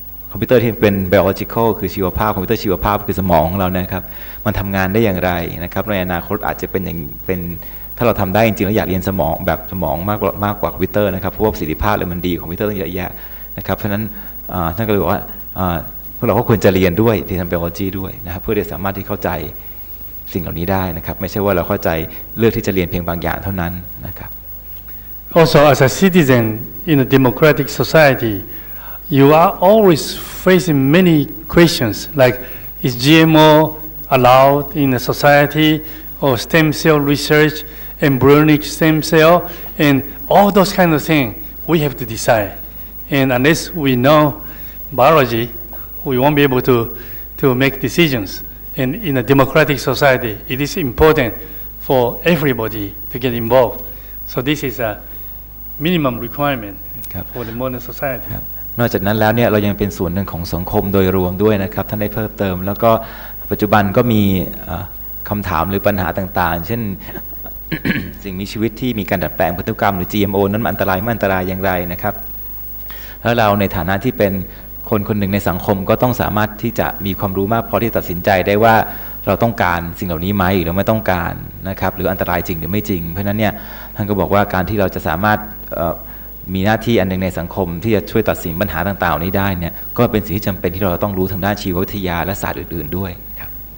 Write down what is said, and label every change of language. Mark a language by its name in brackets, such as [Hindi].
[Thai] คอมพิวเตอร์ที่เป็น biological คือชีวภาพคอมพิวเตอร์ชีวภาพคือสมองของเรานะครับมันทำงานได้อย่างไรนะครับในอนาคตอาจจะเป็นอย่างเป็นถ้าเราทำได้จริงๆแล้วอยากเรียนสมองแบบสมองมากกว่าคอมพิวเตอร์นะครับเพราะว่าประสิทธิภาพเลยมันดีคอมพิวเตอร์ต้องเยอะแยะนะครับเพราะนั้นท่านก็เลยบอกว่าพวกเราก็ควรจะเรียนด้วยที่ทำ biology ด้วยนะครับเพื่อจะสามารถที่เข้าใจสิ่งเหล่านี้ได้นะครับไม่ใช่ว่าเราเข้าใจเลือกที่จะเรียนเพียงบางอย่างเท่านั้นนะครับ [English] also as a citizen in a democratic societyYou are always facing many questions, like is GMO allowed in a society, or stem cell research, embryonic stem cell, and all those kind of things we have to decide. And unless we know biology, we won't be able to make decisions. And in a democratic society, it is important for everybody to get involved. So this is a minimum requirement for the modern society. Yep. [Thai] นอกจากนั้นแล้วเนี่ยเรายังเป็นส่วนหนึ่งของสังคมโดยรวมด้วยนะครับท่านได้เพิ่มเติมแล้วก็ปัจจุบันก็มีคำถามหรือปัญหาต่างๆเช่น สิ่งมีชีวิตที่มีการดัดแปลงพันธุกรรมหรือ GMO นั้นมันอันตรายไม่อันตรายอย่างไรนะครับ แล้วเราในฐานะที่เป็นคนคนหนึ่งในสังคมก็ต้องสามารถที่จะมีความรู้มากพอที่ตัดสินใจได้ว่าเราต้องการสิ่งเหล่านี้ไหมหรือไม่ต้องการนะครับหรืออันตรายจริงหรือไม่จริงเพราะนั้นเนี่ยท่านก็บอกว่าการที่เราจะสามารถมีหน้าที่อันหนึ่งในสังคมที่จะช่วยตัดสินปัญหาต่างๆนี้ได้เนี่ยก็เป็นสิ่งที่จำเป็นที่เราต้องรู้ทางด้านชีววิทยาและศาสตร์อื่นๆด้วยครับ